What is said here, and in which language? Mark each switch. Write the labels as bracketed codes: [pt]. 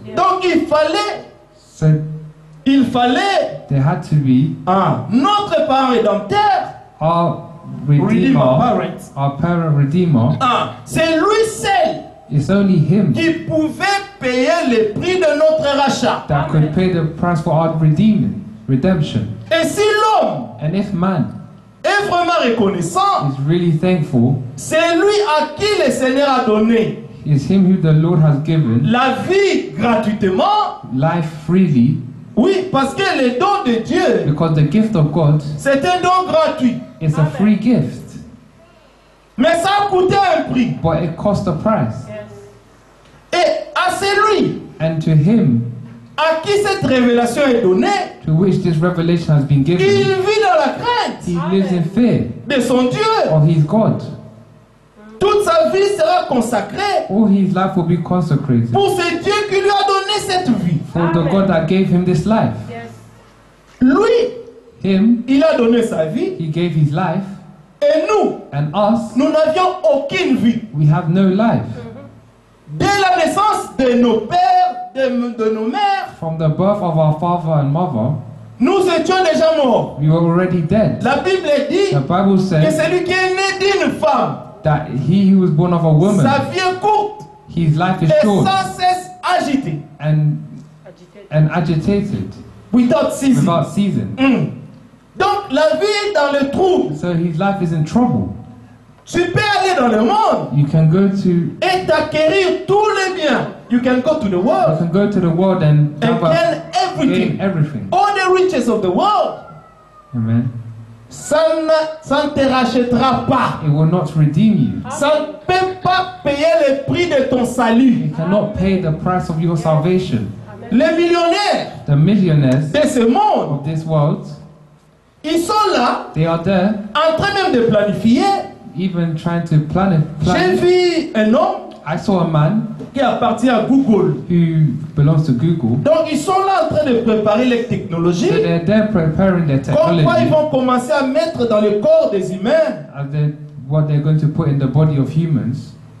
[en] Yeah. [fr] Donc il fallait, [en] so, [fr] il fallait, [en] there had to be, [fr] notre parent rédempteur, [en] our redeemer, [fr] parent. [en] Our parent redeemer, [fr] c'est lui seul, [en] it's only him, [fr] qui pouvait payer le prix de notre rachat, [en] that could pay the price for our redeeming, redemption. [fr] Et si l'homme, [en] and if man, [fr] est vraiment reconnaissant. [en] He's really thankful. [fr] C'est lui à qui le Seigneur a donné. [en] It's him who the Lord has given. [fr] La vie gratuitement. [en] Life freely. [fr] Oui, parce que le don de Dieu. [en] Because the gift of God. [fr] C'est un don gratuit. [en] It's a free gift. [fr] Mais ça a coûté un prix. [en] But it cost a price. [fr] Et à celui. [en] And to him. [fr] À qui cette révélation est donnée. [en] To which this revelation has been given. [fr] Il vit dans la crainte. [en] He lives in fear. [fr] De son Dieu. [en] Of his God. [fr] Toute sa vie sera consacrée. [en] All his life will be consecrated. [fr] Pour ce Dieu qui lui a donné cette vie. [en] For the God that gave him this life. Yes. [fr] Lui. [en] him. [fr] Il a donné sa vie. [en] He gave his life. [fr] Et nous, [en] and us, [fr] nous n'avions aucune vie. [en] We have no life. [fr] Dès la naissance de nos pères, de nos mères, [en] from the birth of our father and mother, [fr] nous étions déjà morts. [en] We were already dead. [fr] La Bible dit, [en] the Bible says, [fr] que celui qui est né d'une femme, [en] that he who was born of a woman, [fr] sa vie est courte, [en] his life is short, [fr] et sans cesse agité, [en] and agitated, without season. Without season. [fr] Mm. Donc la vie est dans le trouble. [en] So his life is in trouble. [fr] Tu peux aller dans le monde. [en] You can go to [fr] et acquérir tous les biens. [en] You can go to the world. You can go to the world and gain everything. Everything. All the riches of the world. Amen. [fr] Ça ne te rachètera pas. [en] It will not redeem you. [fr] Ça ne peut pas payer le prix de ton salut. [en] It cannot pay the price of your salvation. [fr] Les millionnaires. [en] The millionaires. [fr] De ce monde. [en] Of this world. [fr] Ils sont là. [en] They are there. [fr] En train même de planifier. [en] Even trying to plan it. [fr] J'ai vu un homme. [en] I saw a man [fr] qui appartient à Google. [en] Who belongs to Google. [fr] Donc ils sont là en train de préparer les technologies. [en] So they're there preparing their technology. [fr] Comment ils vont commencer à mettre dans le corps des humains? [en] What they're going to put in the body of humans?